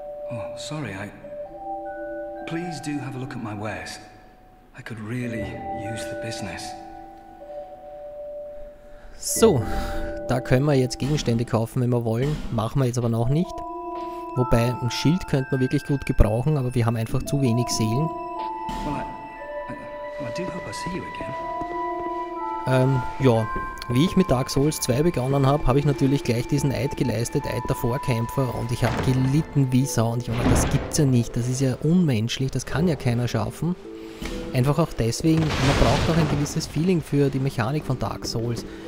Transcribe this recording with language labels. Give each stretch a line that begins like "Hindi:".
English: Oh, sorry, please do have a look at my wares. I could really use the business.
German: So, da können wir jetzt Gegenstände kaufen, wenn wir wollen. Machen wir jetzt aber noch nicht. Wobei, ein Schild könnte man wirklich gut gebrauchen, aber wir haben einfach zu wenig Seelen.
English: Well, I do hope I see you again.
German: Ja, wie ich mit Dark Souls 2 begonnen habe, habe ich natürlich gleich diesen Eid geleistet, Eid der Vorkämpfer, und ich habe gelitten wie Sau, und ich meine, das gibt's ja nicht, das ist ja unmenschlich, das kann ja keiner schaffen. Einfach auch deswegen, man braucht auch ein gewisses Feeling für die Mechanik von Dark Souls.